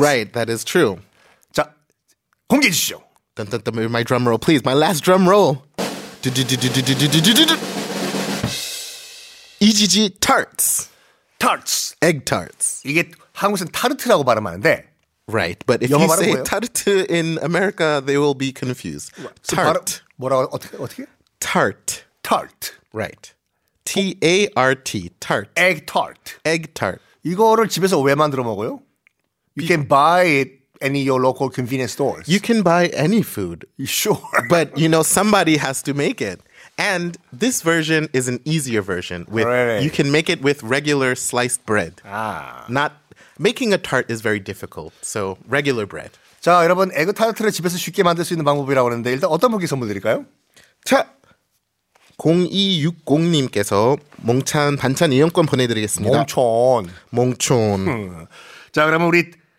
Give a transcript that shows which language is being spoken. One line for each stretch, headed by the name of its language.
English: Right, that is true.
Korean: 자, 공개 주시죠.
English: Dun, dun, dun, my drum roll, please. My last drum roll. EGG tarts. Tarts. Egg tarts.
Korean: 이게 한국에서는 타르트라고 발음하는데.
English: Right. But if you say tarte in America, they will be confused. Tart.
Korean: 뭐라고? 어떻게?
English: Tart. Tart. Right. T-A-R-T. Tart. Egg tart. Egg tart.
Korean: 이거를 집에서 왜 만들어 먹어요?
English: You can buy it. Any of your local convenience stores. You can buy any food. Sure. But, you know, somebody has to make it. And this version is an easier version. You can make it with regular sliced bread. Making a tart is very difficult. So, regular bread.
Korean: 자, 여러분, 에그 타르트를 집에서 쉽게 만들 수 있는 방법이라고 하는데 일단 어떤 분께 선물 드릴까요? 자, 0260님께서 몽찬 반찬 이용권 보내드리겠습니다. 몽촌. 몽촌. 자, 그러면 우리...